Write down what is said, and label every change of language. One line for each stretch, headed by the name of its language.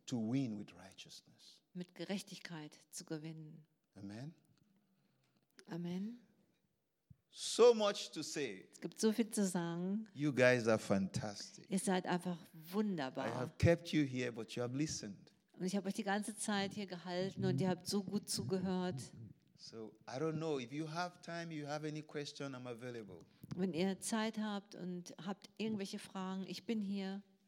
English: To win with righteousness.
German: Mit Gerechtigkeit zu gewinnen.
English: Amen.
German: Amen.
English: So much to say.
German: Es gibt so viel zu sagen.
English: You guys are fantastic.
German: Ihr seid einfach wunderbar.
English: I have kept you here, but you have listened.
German: Und ich habe euch die ganze Zeit hier gehalten und ihr habt so gut zugehört.
English: So, I don't know if you have time, you have any question, I'm available.
German: Wenn ihr Zeit habt und habt irgendwelche Fragen, ich bin hier.